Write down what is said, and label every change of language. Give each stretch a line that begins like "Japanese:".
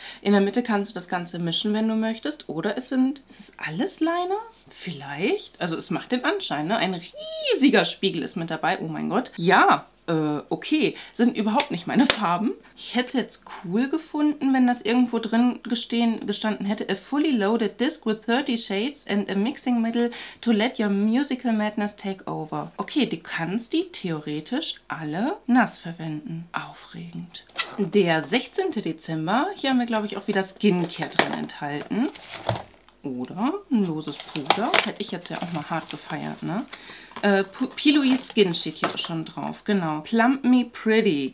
German: In der Mitte kannst du das Ganze mischen, wenn du möchtest. Oder ist es alles Liner? Vielleicht. Also es macht den Anschein, ne? Ein riesiger Spiegel ist mit dabei. Oh mein Gott. Ja, okay. Sind überhaupt nicht meine Farben. Ich hätte es jetzt cool gefunden, wenn das irgendwo drin gestanden hätte.
English: A fully loaded disc with 30 shades and a mixing middle to let your musical madness take over.
German: Okay, du kannst die theoretisch alle nass verwenden. Aufregend. Der 16. Dezember. Hier haben wir, glaube ich, auch wieder Skincare drin enthalten. Oder ein loses Puder. Hätte ich jetzt ja auch mal hart gefeiert, ne? P. Louise Skin steht hier auch schon drauf. Genau. Plump Me Pretty.